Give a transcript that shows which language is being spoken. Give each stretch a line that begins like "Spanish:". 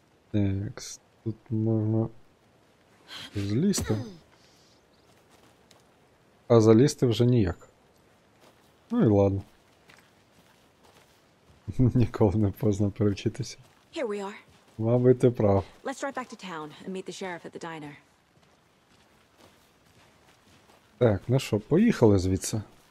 Ukrainian: Так, тут можна злізти. А залізти вже ніяк. Ну і ладно. Ніколи не поздно перевчитися.
English: Here we are.
Ukrainian: Мабуть, ти прав.
English: Let's drive back to town and meet the sheriff at the diner.
Ukrainian: Так, ну що, поїхали звідси.